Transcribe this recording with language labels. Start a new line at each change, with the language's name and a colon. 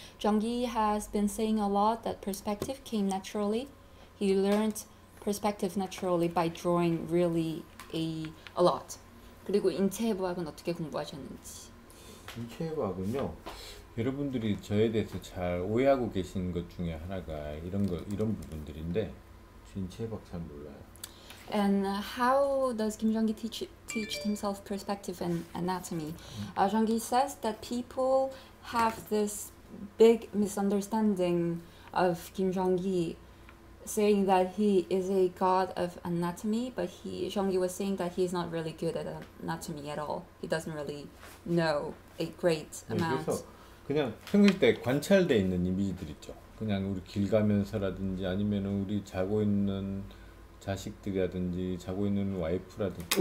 English: 정기 has been saying a lot that perspective came naturally. He learned perspective naturally by drawing really a lot.
Korean: 그리고 인체해부학은 어떻게 공부하셨는지. 인체해부학은요, 여러분들이 저에 대해서 잘 오해하고 계신 것 중에 하나가 이런 부분들인데, 인체해부학 잘 몰라요.
English: And how does Kim Jong-gi teach himself perspective and anatomy? Jong-gi says that people have this big misunderstanding of Kim Jong-gi, saying that he is a god of anatomy, but Jong-gi was saying that he is not really good at anatomy at all. He doesn't really know a great amount.
Korean: 그래서 그냥 평일 때 관찰돼 있는 이미지들 있죠. 그냥 우리 길 가면서라든지 아니면은 우리 자고 있는 자식들이라든지 자고 있는 와이프라든지.